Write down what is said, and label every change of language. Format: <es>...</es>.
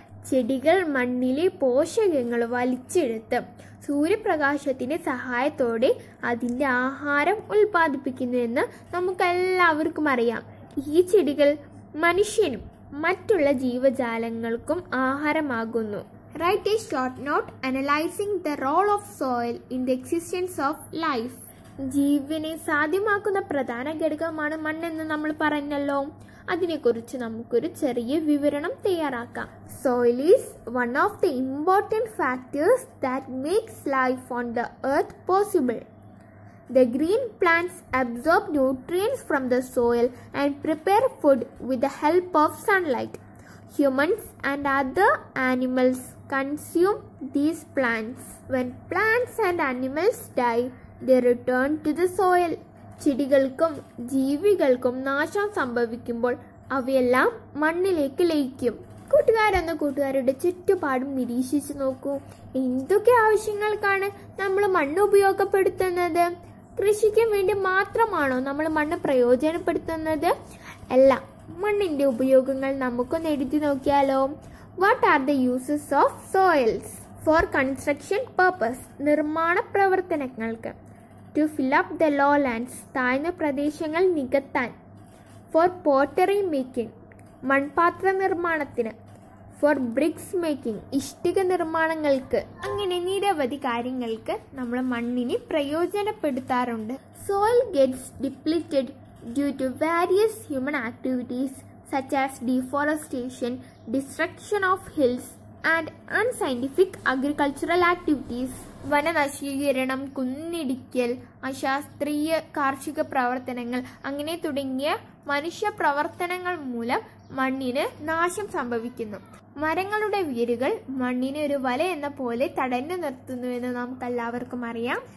<ml>ചെടികൾ മണ്ണിലെ പോഷകങ്ങൾ വലിച്ചെടുത്ത് സൂര്യപ്രകാശത്തിന്റെ സഹായത്തോടെ അതിന്റെ ആഹാരം ഉൽപ്പാദിപ്പിക്കുന്നുവെന്ന് നമുക്കെല്ലാവർക്കും അറിയാം. ഈ ചെടികൾ മനുഷ്യനും മറ്റുള്ള ജീവജാലങ്ങൾക്കും ആഹാരമാകുന്നു.</ml> <en>Write a short note analyzing the role of soil in the existence of life.</en> <ml>ജീവനെ സാധ്യമാക്കുന്ന പ്രധാന ഘടകമാണ് മണ്ണെന്ന് നമ്മൾ പറഞ്ഞല്ലോ. അതിനെക്കുറിച്ച് നമുക്കൊരു ചെറിയ വിവരണം തയ്യാറാക്കാം.</ml> <en>Soil is one of the important factors that makes life on the earth possible. The green plants absorb nutrients from the soil and prepare food with the help of sunlight. Humans and other animals consume these plants. When plants and animals die, they return to the soil.</en> <ml>ചെടികൾക്കും ജീവികൾക്കും നാശം സംഭവിക്കുമ്പോൾ അവയെല്ലാം മണ്ണിലേക്ക് ലയിക്കും. കൂട്ടുകാരെന്ന കൂട്ടുകാരുടെ ചുറ്റുപാടും നിരീക്ഷിച്ചു നോക്കൂ. എന്തൊക്കെ ആവശ്യങ്ങൾക്കാണ് നമ്മൾ മണ്ണ് ഉപയോഗപ്പെടുത്തുന്നത്? കൃഷിക്കും വേണ്ടി മാത്രമാണോ നമ്മൾ മണ്ണ് പ്രയോജനപ്പെടുത്തുന്നത്? അല്ല, മണ്ണിന്റെ ഉപയോഗങ്ങൾ നമുക്കൊന്ന് എഴുതി നോക്കിയാലോ.</ml> <en>What are the uses of soils? For construction purpose,</en> <ml>നിർമ്മാണ പ്രവർത്തനങ്ങൾക്ക്.</ml> <en>to fill up the low lands,</en> <ml>താഴ്ന്ന പ്രദേശങ്ങൾ നികത്താൻ.</ml> <en>for pottery making,</en> <ml>മൺപാത്ര നിർമ്മാണത്തിന്.</ml> <en>for bricks making,</en> <ml>ഇഷ്ടിക നിർമ്മാണങ്ങൾക്ക്. അങ്ങനെ നിരവധി കാര്യങ്ങൾക്ക് നമ്മൾ മണ്ണിനെ പ്രയോജനപ്പെടുത്താറുണ്ട്.</ml> <en>Soil gets depleted due to various human activities such as deforestation, destruction of hills and unscientific agricultural activities.</en> <ml>വനനശീകരണം, കുന്നിടിക്കൽ, അശാസ്ത്രീയ കാർഷിക പ്രവർത്തനങ്ങൾ, അങ്ങനെ തുടങ്ങിയ മനുഷ്യ പ്രവർത്തനങ്ങൾ മൂലം മണ്ണിന് നാശം സംഭവിക്കുന്നു. മരങ്ങളുടെ വേരുകൾ മണ്ണിനെ ഒരു വല എന്ന പോലെ തടഞ്ഞു നിർത്തുന്നുവെന്ന് നമുക്ക് എല്ലാവർക്കും അറിയാം.</ml>